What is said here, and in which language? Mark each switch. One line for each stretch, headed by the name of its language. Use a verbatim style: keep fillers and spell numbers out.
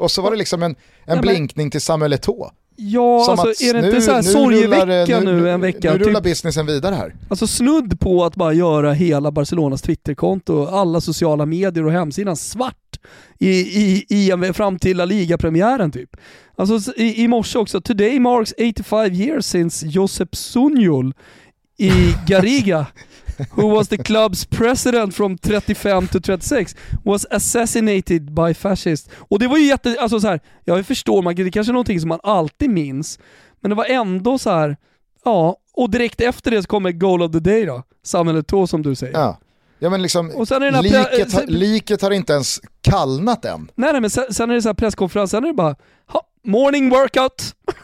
Swedish: Och så var det liksom en, en ja, blinkning men... till Samuel Eto'o. Ja, som alltså är det inte så här sorgevecka nu, nu en vecka? Nu rullar typ businessen vidare här. Alltså snudd på att bara göra hela Barcelonas Twitterkonto och alla sociala medier och hemsidan svart i, i, i en, fram till La Liga-premiären typ. Alltså i, i morse också.
English: Today marks eighty-five years since Josep Sunyol i Gariga who was the club's president from thirty-five to thirty-six was assassinated by fascists.
Swedish: Och det var ju jätte, alltså så här, jag förstår, man, det kanske är någonting som man alltid minns, men det var ändå så här, ja, och direkt efter det så kommer
English: goal of the day
Swedish: då, Samuel Eto'o som du säger. Ja. Ja, men liksom, och sen är den liket, pre- sen, liket har inte ens kallnat än. Nej, nej men sen, sen är det så här presskonferens, sen är det bara
English: morning workout.